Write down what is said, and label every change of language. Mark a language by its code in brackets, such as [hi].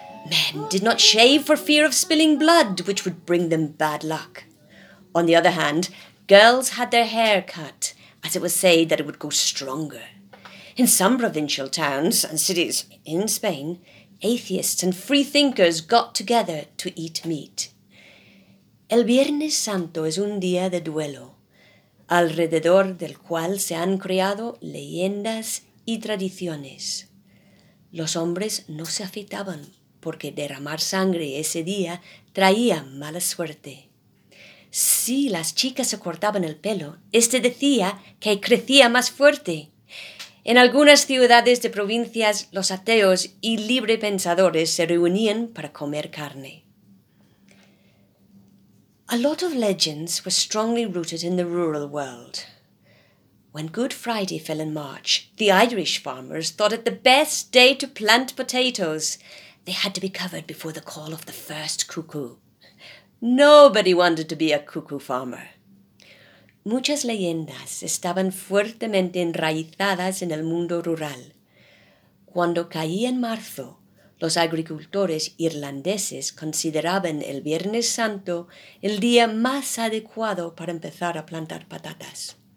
[en] Men did not shave for fear of spilling blood, which would bring them bad luck. On the other hand, girls had their hair cut, as it was said that it would go stronger. In some provincial towns and cities in Spain, atheists and freethinkers got together to eat meat. [es] El Viernes Santo es un día de duelo, alrededor del cual se han creado leyendas y tradiciones. Los hombres no se afeitaban porque derramar sangre ese día traía mala suerte. Si las chicas se cortaban el pelo, este decía que crecía más fuerte. En algunas ciudades de provincias, los ateos y librepensadores se reunían para comer carne. [en] A lot of legends were strongly rooted in the rural world. When Good Friday fell in March, the Irish farmers thought it the best day to plant potatoes. They had to be covered before the call of the first cuckoo. Nobody wanted to be a cuckoo farmer. [es] Muchas leyendas estaban fuertemente enraizadas en el mundo rural. Cuando caía en marzo, los agricultores irlandeses consideraban el Viernes Santo el día más adecuado para empezar a plantar patatas.